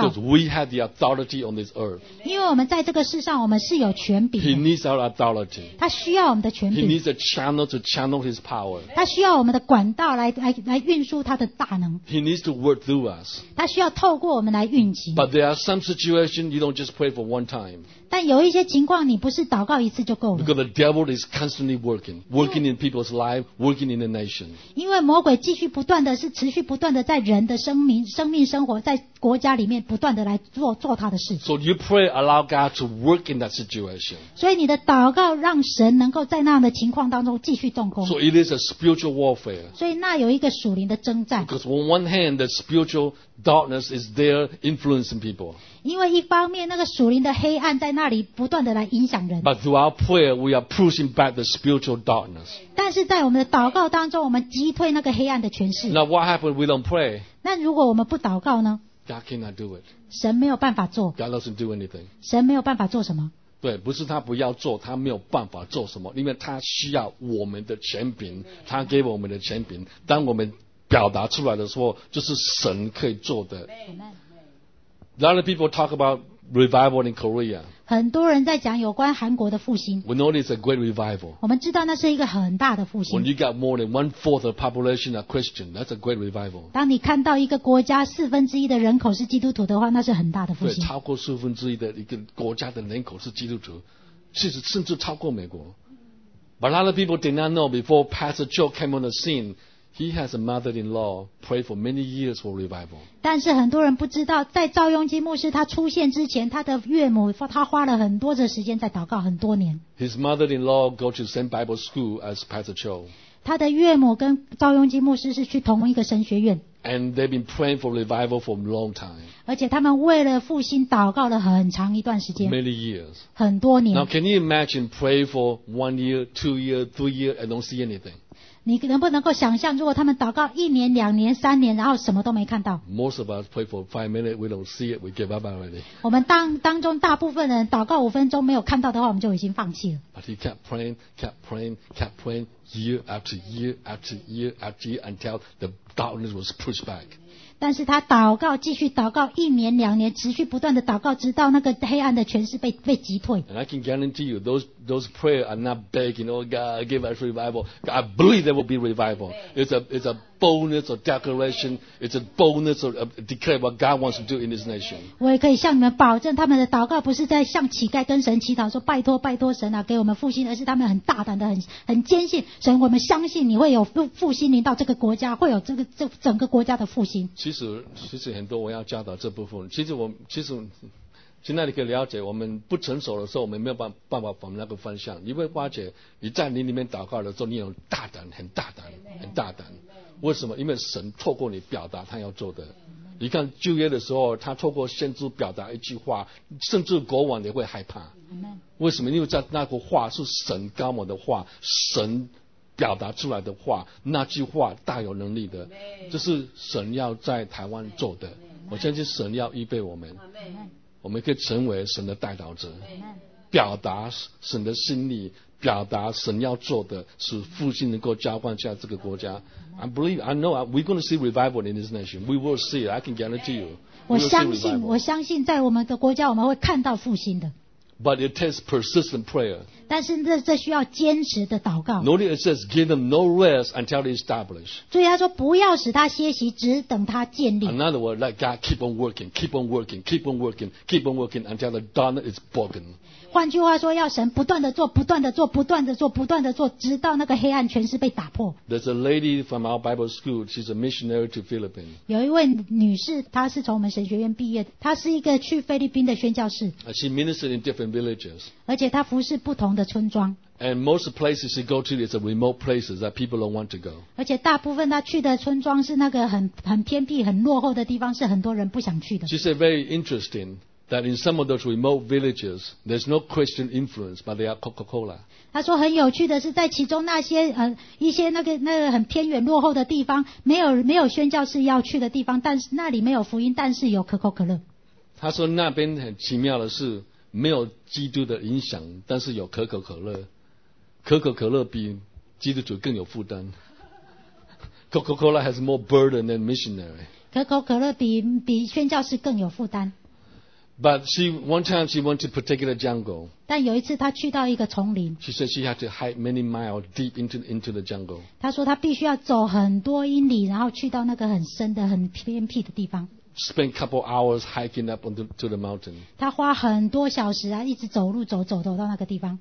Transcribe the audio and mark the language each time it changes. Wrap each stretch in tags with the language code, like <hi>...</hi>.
<en>Because we have the authority on this earth.</en> <zh>因为我们在这个世上，我们是有权柄的。</zh> <en>He needs our authority.</en> <zh>他需要我们的权柄。</zh> <en>He needs a channel to channel His power.</en> <zh>他需要我们的管道来运输他的大能。</zh> <en>He needs to work through us.</en> <zh>他需要透过我们来运行。</zh> <en>But there are some situations you don't just pray for one time.</en> <zh>但有一些情况你不是祷告一次就够了。</zh> <en>Because the devil is constantly working in people's lives, working in the nation.</en> <zh>因为魔鬼继续不断的是持续不断的在人的生命生活在国家里面不断的来做他的事。</zh> <en>So you pray, allow God to work in that situation.</en> <zh>所以你的祷告让神能够在那样的情况当中继续动工。</zh> <en>So it is a spiritual warfare.</en> <zh>所以那有一个属灵的征战。</zh> <en>Because on one hand, the spiritual darkness is there influencing people.</en> <zh>因为一方面那个属灵的黑暗在那里不断的来影响人。</zh> <en>But through our prayer, we are pushing back the spiritual darkness.</en> <zh>但是在我们的祷告当中，我们击退那个黑暗的权势。</zh> <en>Now what happens if we don't pray?</en> <zh>那如果我们不祷告呢？</zh> <en>God cannot do it.</en> <zh>神没有办法做。</zh> <en>God doesn't do anything.</en> <zh>神没有办法做什么？对，不是他不要做，他没有办法做什么，因为他需要我们的权柄，他给我们的权柄。当我们表达出来的时候，就是神可以做的。</zh> <en>A lot of people talk about revival in Korea.</en> <zh>很多人在讲有关韩国的复兴。</zh> <en>We know it's a great revival.</en> <zh>我们知道那是一个很大的复兴。</zh> <en>When you got more than 1/4 of the population are Christian, that's a great revival.</en> <zh>当你看到一个国家四分之一的人口是基督徒的话，那是很大的复兴。对，超过四分之一的一个国家的人口是基督徒，甚至超过美国。</zh> <en>But a lot of people did not know before Pastor Joe came on the scene. He has a mother-in-law pray for many years for revival.</en> <zh>但是很多人不知道，在赵庸基牧师他出现之前，他的岳母他花了很多的时间在祷告，很多年。</zh> <en>His mother-in-law go to same Bible school as Pastor Cho.</en> <zh>他的岳母跟赵庸基牧师是去同一个神学院。</zh> <en>And they've been praying for revival for a long time.</en> <zh>而且他们为了复兴祷告了很长一段时间。</zh> <en>Many years.</en> <zh>很多年。</zh> <en>Now, can you imagine pray for 1 year, 2 year, 3 year and don't see anything?</en> <zh>你能不能够想象，如果他们祷告一年、两年、三年，然后什么都没看到</zh> <en>？Most of us pray for 5 minutes, we don't see it, we give up already.</en> <zh>我们当中大部分人祷告五分钟没有看到的话，我们就已经放弃了。</zh> <en>But he kept praying, kept praying, kept praying year after year after year after year until the darkness was pushed back.</en> <zh>但是他祷告，继续祷告一年、两年，持续不断的祷告，直到那个黑暗的权势被击退。</zh> <en>And I can guarantee you those prayers are not begging, oh God, give us revival. I believe there will be revival. It's a bonus or declaration. It's a bonus or a declare what God wants to do in this nation.</en> <zh>我也可以向你们保证，他们的祷告不是在向乞丐跟神祈祷说拜托拜托神啊，给我们复兴，而是他们很大胆的很坚信神，我们相信你会有复兴临到这个国家，会有这整个国家的复兴。其实很多我要教导这部分，其实。现在你可以了解，我们不成熟的时候，我们没有办法往那个方向。你会发觉，你在灵里面祷告的时候，你有大胆，很大胆，很大胆。为什么？因为神透过你表达他要做的。你看旧约的时候，他透过先知表达一句话，甚至国王也会害怕。为什么？因为在那个话是神高某的话，神表达出来的话，那句话大有能力的，这是神要在台湾做的。我相信神要预备我们。我们可以成为神的代祷者，表达神的心意，表达神要做的，使复兴能够浇灌下这个国家。</zh> <en>I believe, I know, we're going to see revival in this nation. We will see it. I can guarantee you.</en> <zh>我相信在我们的国家，我们会看到复兴的。</zh> <en>But it takes persistent prayer.</en> <zh>但是这需要坚持的祷告。</zh> <en>Notice it says, give them no rest until they establish.</en> <zh>注意他说不要使他歇息，只等他建立。</zh> <en>In other words, let God keep on working, keep on working, keep on working, keep on working until the darkness is broken.</en> <zh>换句话说，要神不断的做，不断的做，不断的做，不断的做，直到那个黑暗权势被打破。</zh> <en>There's a lady from our Bible school. She's a missionary to Philippines.</en> <zh>有一位女士，她是从我们神学院毕业的，她是一个去菲律宾的宣教士。</zh> <en>She ministered in different.</en> <zh>而且他服侍不同的村庄。</zh> <en>And most places she go to is a remote places that people don't want to go.</en> <zh>而且大部分他去的村庄是那个很偏僻、很落后的地方，是很多人不想去的。</zh> <en>She said very interesting that in some of those remote villages, there's no Christian influence, but they are Coca-Cola.</en> <zh>他说很有趣的是，在其中那些一些那个很偏远落后的地方，没有宣教士要去的地方，但是那里没有福音，但是有可口可乐。他说那边很奇妙的是。没有基督的影响，但是有可口可乐，可口可乐比基督徒更有负担。</zh> <en>Coca-Cola has more burden than missionary.</en> <zh>可口可乐比宣教士更有负担。</zh> <en>But she, one time she went to a particular jungle.</en> <zh>但有一次她去到一个丛林。</zh> <en>She said she had to hike many miles deep into the jungle.</en> <zh>她说她必须要走很多英里，然后去到那个很深的、很偏僻的地方。</zh> <en>Spent a couple hours hiking up to the mountain.</en> <zh>她花很多小时啊，一直走路走到那个地方。</zh>